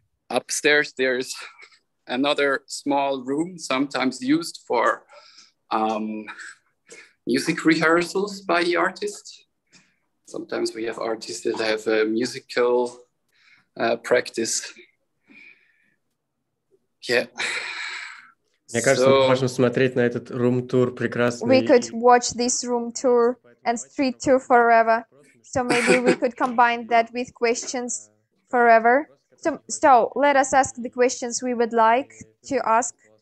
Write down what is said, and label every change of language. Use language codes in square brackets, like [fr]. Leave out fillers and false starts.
[en] Upstairs, there's another small room sometimes used for music rehearsals by the artists. Sometimes we have artists that have a musical practice. Yeah. [ru] Мне кажется, мы можем смотреть на этот room tour прекрасный. [en] We could watch this room tour and street tour forever. So maybe we could combine that with questions forever. So let us ask the questions we would like to ask.